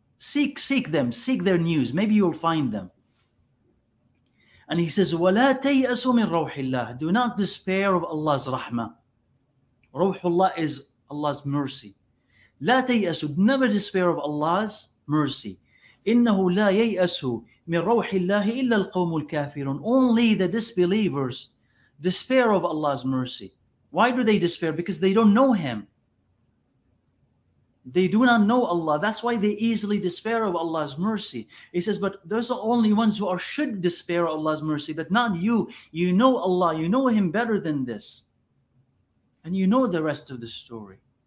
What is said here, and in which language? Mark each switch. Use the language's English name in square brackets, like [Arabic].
[English] Seek them, seek their news. Maybe you'll find them. And he says, [Arabic] وَلَا تَيْأَسُوا مِنْ رَوْحِ اللَّهِ [English] Do not despair of Allah's rahmah. [Arabic] رَوْحُ اللَّهِ [English] is Allah's mercy. [Arabic] لَا تَيْأَسُوا [English] Never despair of Allah's mercy. [Arabic] إِنَّهُ لَا يَيْأَسُوا مِنْ رَوْحِ اللَّهِ إِلَّا الْقَوْمُ الْكَافِرُونَ [English] Only the disbelievers despair of Allah's mercy. Why do they despair? Because they don't know Him. They do not know Allah. That's why they easily despair of Allah's mercy. He says, but those are only ones who should despair of Allah's mercy, but not you. You know Allah. You know Him better than this. And you know the rest of the story.